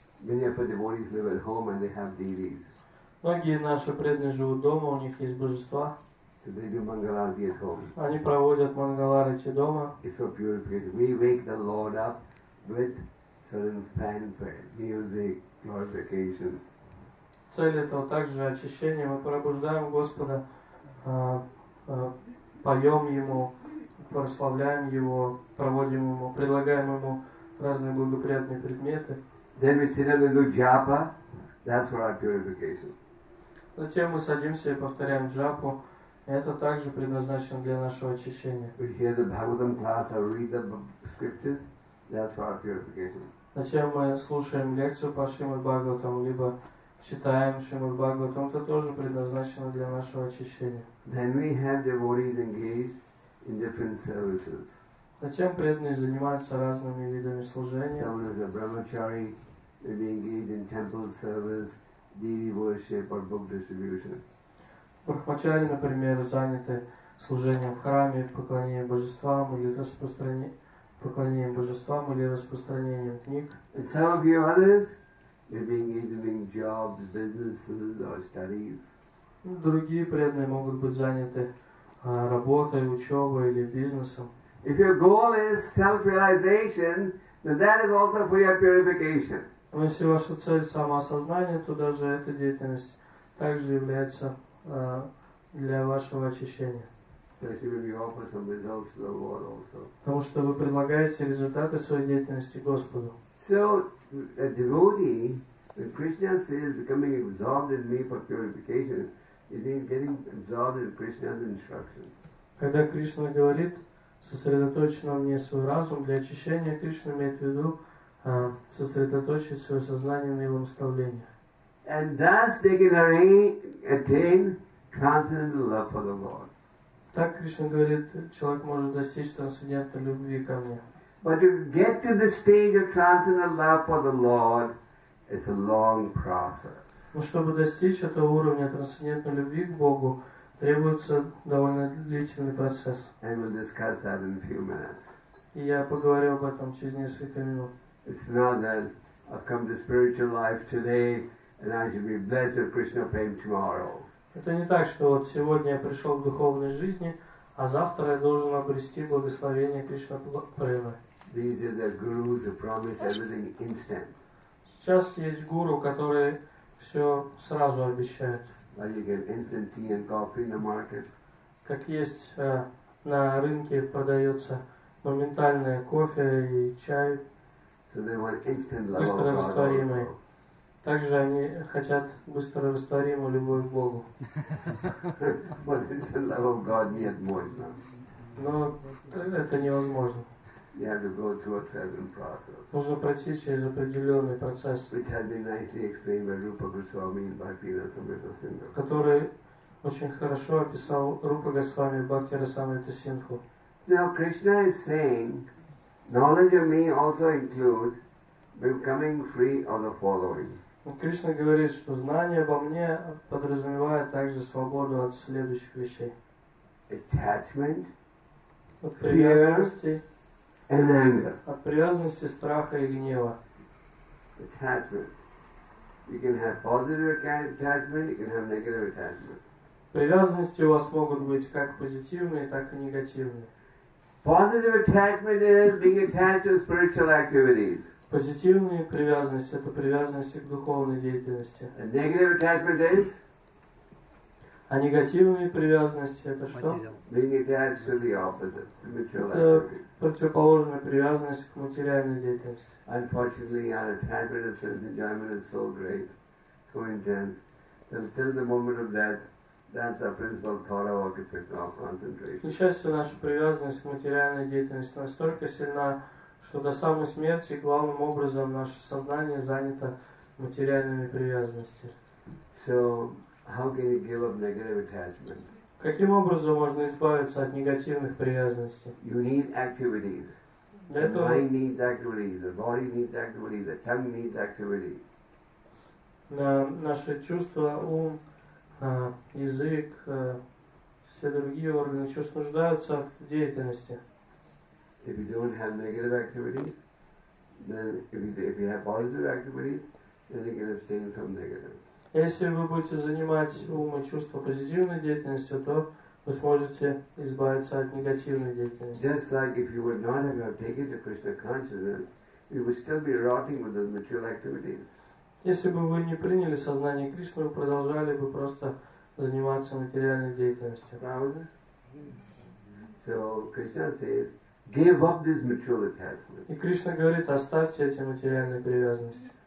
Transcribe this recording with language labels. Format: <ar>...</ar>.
<en>Many of the devotees live at home and they have deities.</en> <ru>Многие наши преданные живут дома, у них есть божества. Они проводят мангаларати дома.</ru> <en>It's so beautiful. We wake the Lord up with certain fanfare, music, glorification.</en> <ru>Цель этого также очищение. Мы пробуждаем Господа, поем Ему, прославляем Его, проводим Ему, предлагаем Ему разные благоприятные предметы.</ru> <en>Then we sit and do japa. That's for our purification.</en> <ru>Затем мы садимся и повторяем джапу. Это также предназначено для нашего очищения.</ru> <en>We hear the Bhagavatam class or read the scriptures. That's for our purification.</en> <ru>Затем мы слушаем лекцию по Шримад Бхагаватам, либо читаем Шримад Бхагаватам. Это тоже предназначено для нашего очищения.</ru> <en>Then we have devotees engaged in different services.</en> <ru>Затем преданные занимаются разными видами служения.</ru> <en>Some of the brahmachari may be engaged in temple service, deity worship or book distribution.</en> <ru>Брахмачари, например, заняты служением в храме, поклонением божествам или распространением книг.</ru> <en>And some of you others may be engaged in doing jobs, businesses or studies.</en> <ru>Другие преданные могут быть заняты работой, учебой или бизнесом.</ru> <en>If your goal is self-realization, then that is also for your purification.</en> <ru>Если ваша цель самоосознание, то даже эта деятельность также является для вашего очищения.</ru> <en>Especially when you offer some results to the Lord also.</en> <ru>Потому что вы предлагаете результаты своей деятельности Господу.</ru> <en>So a devotee, when Krishna says becoming absorbed in me for purification, it means getting absorbed in Krishna's instructions.</en> <ru>Когда Кришна говорит, сосредоточь на мне свой разум для очищения, Кришна имеет в виду сосредоточить свое сознание на его наставлении.</ru> <en>And thus they can attain transcendental love for the Lord.</en> <ru>Так Кришна говорит, человек может достичь трансцендентной любви ко мне.</ru> <en>But to get to the stage of transcendental love for the Lord, it's a long process.</en> <ru>Но чтобы достичь этого уровня трансцендентной любви к Богу, требуется довольно длительный процесс.</ru> <en>I will discuss that in a few minutes.</en> <ru>И я поговорю об этом через несколько минут.</ru> <en>It's not that I've come to spiritual life today and I should be blessed with Krishna fame tomorrow.</en> <ru>Это не так, что вот сегодня я пришел к духовной жизни, а завтра я должен обрести благословение Кришна Према.</ru> <en>These are the gurus who promise everything instant.</en> <ru>Сейчас есть гуру, которые все сразу обещают.</ru> <en>Like you get instant tea and coffee in the market.</en> <ru>Как есть на рынке продается моментальное кофе и чай.</ru> <en>So they want instant love of God also.</en> <ru>Также они хотят быстро растворимую любовь к Богу.</ru> <en>But instant love of God</en> <ru>нет, можно. Но это невозможно.</ru> <en>You have to go through a certain process.</en> <ru>Нужно пройти через определенный процесс.</ru> <en>Which has been nicely explained by Rupa Goswami and Bhakti Rasamrita Sindhu.</en> <ru>Который очень хорошо описал Рупа Госвами Бхакти Расамрита Синдху.</ru> <en>Now Krishna is saying, knowledge of me also includes becoming free of the following.</en> <ru>Кришна говорит, что знание обо мне подразумевает также свободу от следующих вещей.</ru> <en>Attachment, fear, and anger.</en> <ru>От привязанности, страха и гнева.</ru> <en>Attachment. You can have positive attachment, you can have negative attachment.</en> <ru>Привязанности у вас могут быть как позитивные, так и негативные.</ru> <en>Positive attachment is being attached to spiritual activities.</en> <ru>Позитивная привязанность — это привязанность к духовной деятельности.</ru> <en>A negative attachment is?</en> <ru>А негативная привязанность — это что?</ru> <en>Being attached to the opposite, to material activity.</en> <ru>Это противоположная привязанность к материальной деятельности.</ru> <en>Unfortunately, our attachment to sense enjoyment is so great, so intense, that until the moment of death, that's our principal thought of occupation, our concentration.</en> <ru>К счастью, наша привязанность к материальной деятельности настолько сильна, что до самой смерти главным образом наше сознание занято материальными привязанностями.</ru> <en>So, how can you give up negative attachment?</en> <ru>Каким образом можно избавиться от негативных привязанностей?</ru> <en>You need activities.</en> <ru>Для этого...</ru> <en>The mind needs activities, the body needs activities, the tongue needs activity.</en> <ru>Наши чувства, ум, язык, все другие органы чувств нуждаются в деятельности.</ru> <en>If you don't have negative activities, then if you have positive activities, then you can abstain from negative.</en> <ru>Если вы будете занимать ум и чувства позитивной деятельностью, то вы сможете избавиться от негативной деятельности.</ru> <en>Just like if you would not have taken to Krishna consciousness, you would still be rotting with those material activities.</en> <ru>Если бы вы не приняли сознание Кришны, вы продолжали бы просто заниматься материальной деятельностью. Правда?</ru> <en>So Krishna says, give up this material attachment. И Кришна говорит, оставьте эти материальные привязанности.</en>